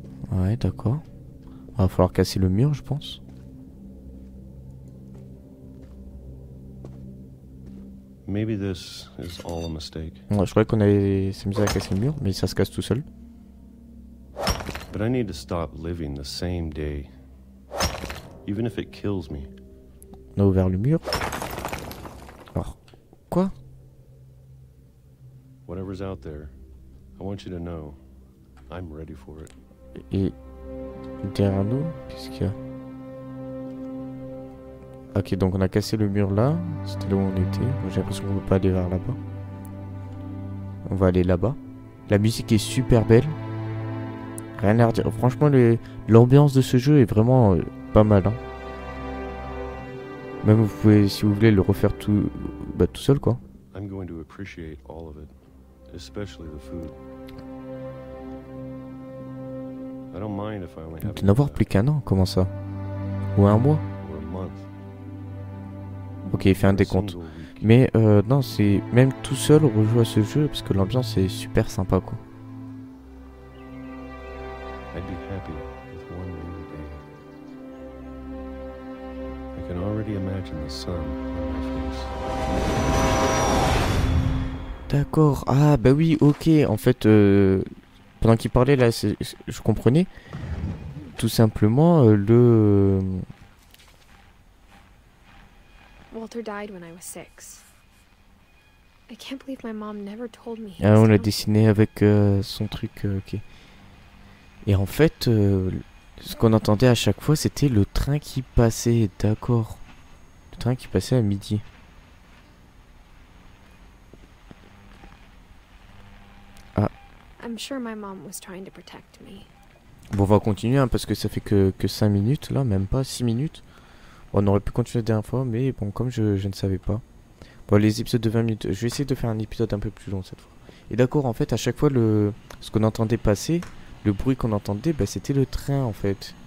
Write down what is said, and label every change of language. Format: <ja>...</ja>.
<fr>Ouais, d'accord. Va falloir casser le mur, je pense.</fr> <en>Maybe this is all a mistake.</en> <fr>Ouais, je croyais qu'on allait s'amuser à casser le mur, mais ça se casse tout seul.</fr> <en>But I need to stop living the same day. Even if it kills me.</en> <fr>On a ouvert le mur. Alors, quoi?</fr> <en>Whatever's out there, I want you to know, I'm ready for it.</en> <fr>Et derrière nous, qu'est-ce qu'il y a? Ok, donc on a cassé le mur là. C'était là où on était. J'ai l'impression qu'on peut pas aller vers là-bas. On va aller là-bas. La musique est super belle. rien à redire. Franchement, l'ambiance de ce jeu est vraiment pas mal, hein. Même vous pouvez, si vous voulez, le refaire tout, bah, tout seul, quoi.</fr> <en>I'm going to appreciate all of it, especially the food. I don't mind if I only have.</en> <fr>N'avoir plus qu'un an, comment ça? Ou un mois? Ok, il fait un décompte. Mais non, c'est même tout seul rejouer à ce jeu parce que l'ambiance est super sympa, quoi.</fr> <en>I'd be happy with one rainy day. I can already imagine the sun on my face.</en> <fr>D'accord, ah bah oui, ok, en fait, pendant qu'il parlait là, je comprenais, tout simplement, le...</fr> <en>Walter died when I was six. I can't believe my mom never told me.</en> <fr>Ah, on l'a dessiné avec son truc, ok. Et en fait, ce qu'on entendait à chaque fois, c'était le train qui passait, d'accord. Le train qui passait à midi.</fr> <en>I'm sure my mom was trying to protect me.</en> <fr>Bon, on va continuer, hein, parce que ça fait que 5 minutes, là, même pas 6 minutes. On aurait pu continuer la dernière fois, mais bon, comme je ne savais pas. Bon, les épisodes de 20 minutes, je vais essayer de faire un épisode un peu plus long cette fois. Et d'accord, en fait, à chaque fois, ce qu'on entendait passer, le bruit qu'on entendait, bah, c'était le train, en fait.</fr>